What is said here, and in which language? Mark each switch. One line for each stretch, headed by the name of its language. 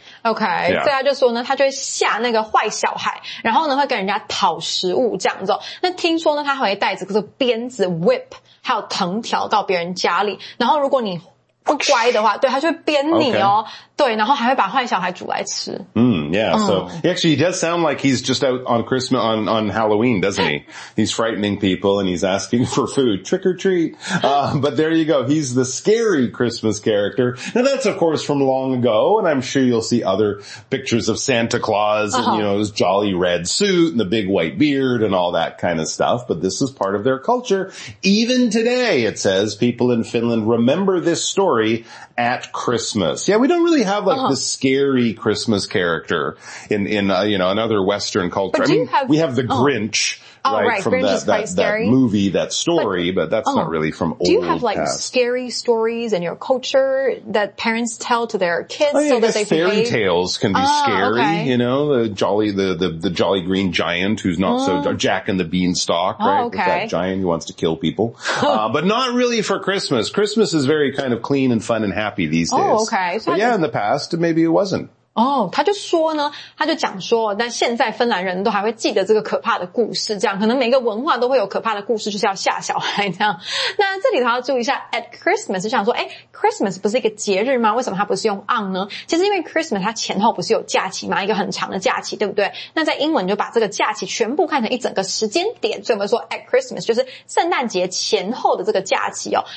Chinese: OK, 所以他就说呢他就会吓那个坏小孩然后呢会跟人家讨食物这样子、哦。那听说呢他会带着这个鞭子 whip, 还有藤条到别人家里然后如果你不乖的话对他就会鞭你哦、
English: okay.
Chinese: 对然后还会把坏小孩煮来吃。
English: Yeah, so he actually does sound like he's just out on Christmas, on Halloween, doesn't he? He's frightening people and he's asking for food. Trick or treat. But there you go. He's the scary Christmas character. Now that's of course from long ago and I'm sure you'll see other pictures of Santa Claus and, you know, his jolly red suit and the big white beard and all that kind of stuff. But this is part of their culture. Even today, it says, people in Finland remember this story at Christmas. Yeah, we don't really have like the scary Christmas character. In another Western culture. I mean, we have the Grinch, right, from that movie, that story, but that's not really from old past. Do you have, like, scary stories in your culture that parents tell to their kids so that they behave? Fairy tales can be scary, you know, the jolly green giant who's not so, Jack and the Beanstalk, right, that giant who wants to kill people. but not really for Christmas. Christmas is very kind of clean and fun and happy these days. Oh, okay. So but yeah, in the past, maybe it wasn't.
Chinese: 他就说呢他就讲说但现在芬兰人都还会记得这个可怕的故事这样可能每个文化都会有可怕的故事就是要吓小孩这样。那这里头要注意一下 ,
English: at Christmas,
Chinese: 就想说Christmas 不是一个节日吗为什么他不是用 on 呢其实因为 Christmas 它前后不是有假期吗一个很长的假期对不对那在英文就把这个假期全部看成一整个时间点所以我们说 at Christmas, 就是圣诞节前后的这个假期哦。